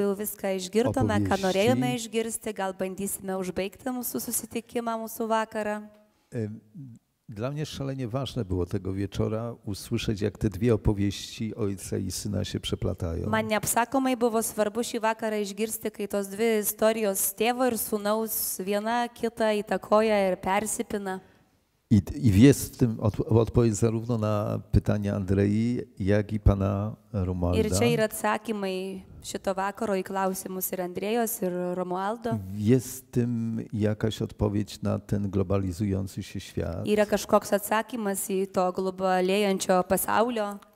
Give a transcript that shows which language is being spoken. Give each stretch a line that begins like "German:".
Lithuanian: Jeigu viską išgirdome, ką norėjome išgirsti, gal bandysime užbaigti mūsų susitikimą, mūsų vakarą.
Polish: Dla mnie szalenie ważne było tego wieczora usłyszeć, jak te dwie opowieści ojca i syna się przeplatają.
Lithuanian: Man neapsakomai buvo svarbu šį vakarą išgirsti, kai tos dvi istorijos tėvo ir sūnaus viena kita įtakoja ir persipina.
Polish: I jest w tym odpowiedź zarówno na pytanie Andrei, jak i pana Romualda.
Lithuanian: Ir čia yra atsakymai šito vakaro į klausimus ir Andrejos ir Romualdo.
Polish: Jest w tym jakaś odpowiedź na ten globalizujący się świat.
Lithuanian: Yra kažkoks atsakymas į to globalėjančio pasaulio.